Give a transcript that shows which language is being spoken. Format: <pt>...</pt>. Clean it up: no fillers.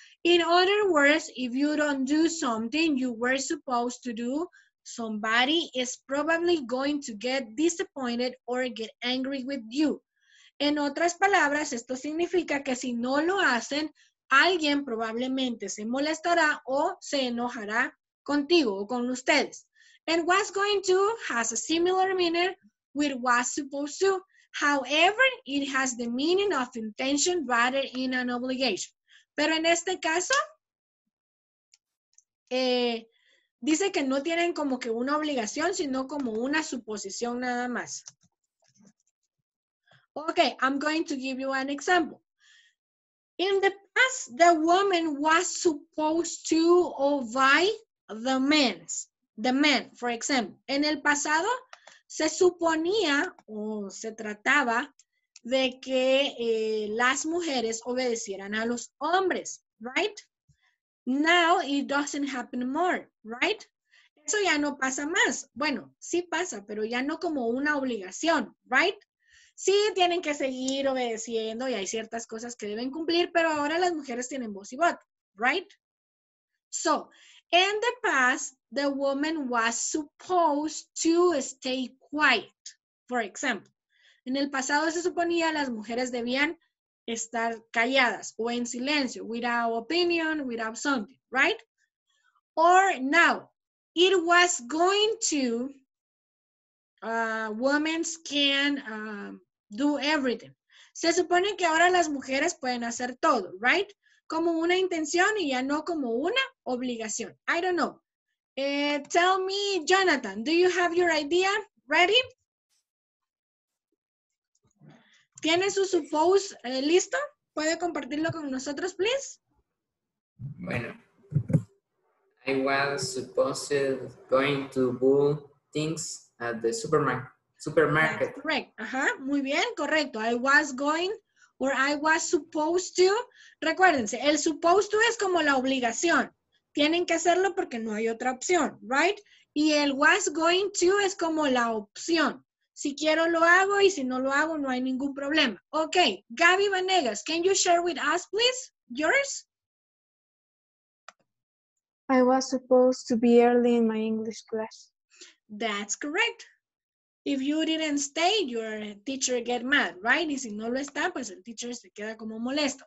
<en>In other words, if you don't do something you were supposed to do, somebody is probably going to get disappointed or get angry with you.</en> <es>En otras palabras, esto significa que si no lo hacen, alguien probablemente se molestará o se enojará contigo o con ustedes.</es> <en>And was going to has a similar meaning with was supposed to. However, it has the meaning of intention rather than an obligation.</en> <es>Pero en este caso, dice que no tienen como que una obligación, sino como una suposición nada más.</es> <en>Okay, I'm going to give you an example. In the past, the woman was supposed to obey the man. The man, for example.</en> <es>En el pasado, se suponía o se trataba de que las mujeres obedecieran a los hombres, right?</es> <en>Now it doesn't happen more, right?</en> <es>Eso ya no pasa más. Bueno, sí pasa, pero ya no como una obligación, right? Sí, tienen que seguir obedeciendo y hay ciertas cosas que deben cumplir, pero ahora las mujeres tienen voz y voto, right?</es> <en>So, in the past, the woman was supposed to stay quiet, for example.</en> <es>En el pasado se suponía las mujeres debían estar calladas o en silencio,</es> <en>without opinion, without something,</en> <es>right?</es> <en>Or now, it was going to, women can do everything.</en> <es>Se supone que ahora las mujeres pueden hacer todo, right? Como una intención y ya no como una obligación.</es> <en>I don't know. Tell me, Jonathan, do you have your idea ready?</en> <es>¿Tiene su suppose listo? ¿Puede compartirlo con nosotros, please? Bueno.</es> <en>I was supposed going to buy things at the supermarket. That's correct.</en> <es>Muy bien, correcto.</es> <en>I was going or I was supposed to.</en> <es>Recuérdense, el supposed to es como la obligación. Tienen que hacerlo porque no hay otra opción, right? Y el was going to es como la opción. Si quiero, lo hago, y si no lo hago, no hay ningún problema.</es> <en>Okay, Gaby Vanegas, can you share with us, please, yours? I was supposed to be early in my English class. That's correct. If you didn't stay, your teacher get mad, right?</en> <es>Y si no lo está, pues el teacher se queda como molesto.</es>